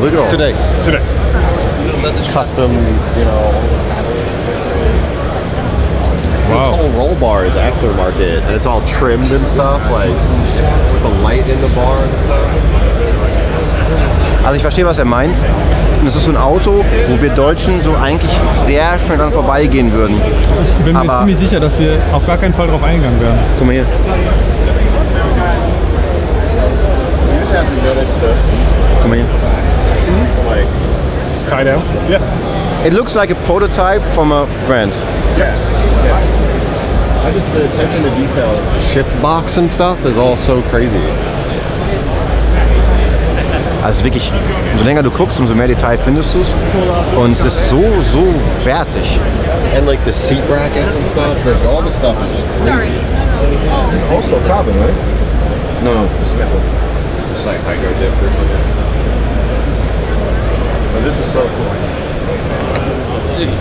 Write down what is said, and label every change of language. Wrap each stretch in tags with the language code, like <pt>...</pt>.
<en>Look at all today. Today. Custom, you know. Wow. This whole roll bar is aftermarket, and it's all trimmed and stuff, like with the light in the bar and stuff.</en> <de>Also ich verstehe, was er meint. Und es ist so ein Auto, wo wir Deutschen so eigentlich sehr schnell dran vorbeigehen würden. Ich bin mir ziemlich sicher, dass wir auf gar keinen Fall drauf eingegangen wären. Guck mal hier. Guck mal hier.</de> <en>tie down. Yeah. It looks like a prototype from a brand. Yeah. I just the attention to detail. Shift box and stuff is all so crazy.</en> <de>Also wirklich, umso länger du guckst, umso mehr Detail findest du es. Und es ist so, so wertig.</de> <en>And like the seat brackets and stuff, like all the stuff is just crazy. It's also carbon, right? No, no, it's metal. It's like hydro diff or something. But this is so cool.</en>